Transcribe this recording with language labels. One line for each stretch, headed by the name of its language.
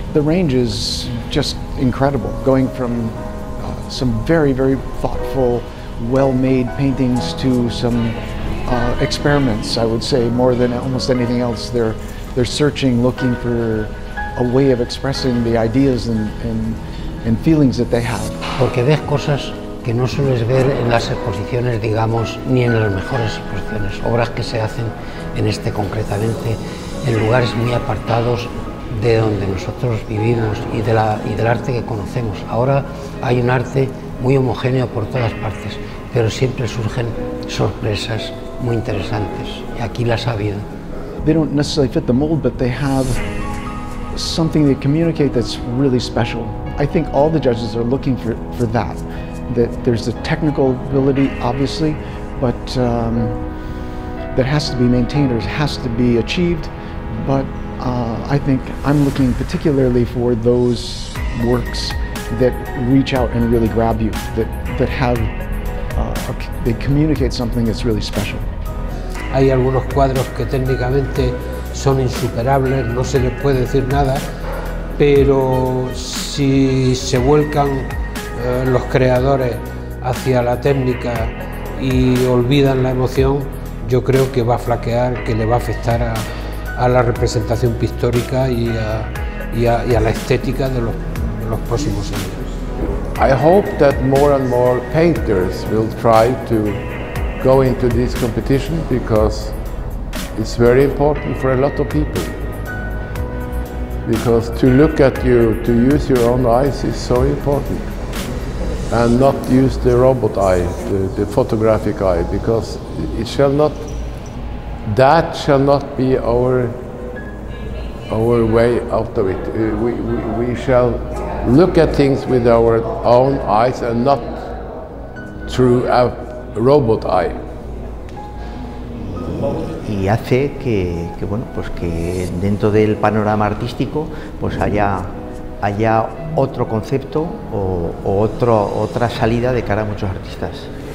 English: The range is just incredible, going from some very, very thoughtful, well-made paintings to some experiments, I would say, more than almost anything else. They're searching, looking for a way of expressing the ideas and feelings that they have.
Spanish: Porque ves cosas que no sueles ver en las exposiciones, digamos, ni en las mejores exposiciones, obras que se hacen en este concretamente, en lugares muy apartados de donde nosotros vivimos y, del arte que conocemos. Ahora hay un arte muy homogéneo por todas partes, pero siempre surgen sorpresas muy interesantes, y aquí las ha habido.
English: They don't necessarily fit the mold, but they have something they communicate that's really special. I think all the judges are looking for that. That there's the technical ability, obviously, but that has to be maintained or has to be achieved. But I think I'm looking particularly for those works that reach out and really grab you, that have, they communicate something that's really special.
Spanish: Hay algunos cuadros que técnicamente son insuperables, no se les puede decir nada, pero si se vuelcan los creadores hacia la técnica y olvidan la emoción, yo creo que va a flaquear, que le va a afectar a la representación pictórica y a la estética de los próximos años.
English: I hope that more and more painters will try to go into this competition because it's very important for a lot of people. Because to look at you, to use your own eyes is so important. And not use the robot eye, the photographic eye, because it shall not, that shall not be our way out of it. We shall look at things with our own eyes and not through a robot eye.
Spanish: Y hace que bueno, pues que dentro del panorama artístico, pues haya otro concepto o otra salida de cara a muchos artistas.